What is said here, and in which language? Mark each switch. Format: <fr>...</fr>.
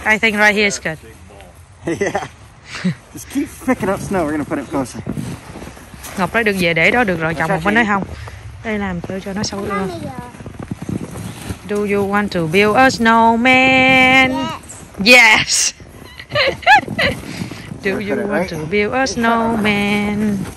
<en>I think right here is good. Yeah. Just keep picking up snow. We're gonna put it closer.</en> <vi>Ngọc nói được về để đó được rồi, chồng Ngọc mới nói không. Đây làm cho nó xấu luôn.</vi> <en>Do you want to build a snowman? Yes. Yes. Do you want to build a snowman?</en>